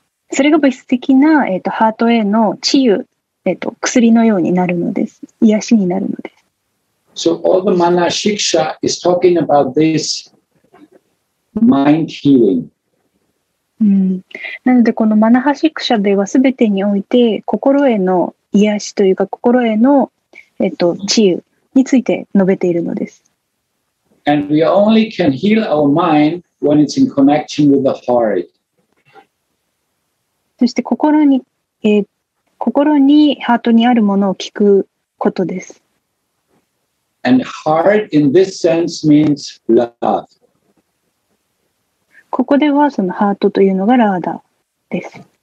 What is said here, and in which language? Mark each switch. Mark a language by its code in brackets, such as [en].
[ja] それが物質的な、ハートへの治癒、薬のようになるのです。癒しになるのです。 [en] So all the mana shiksha is talking about this mind healing. [ja] なので、このマナハシクシャでは全てにおいて、心への癒しというか、心への、治癒について述べているのです。 [en] And we only can heal our mind when it's in connection with the heart. [ja] そして心にハートにあるものを聞くことです。 [en] And heart in this sense means love. [ja] ここではそのハートというのがラーダです。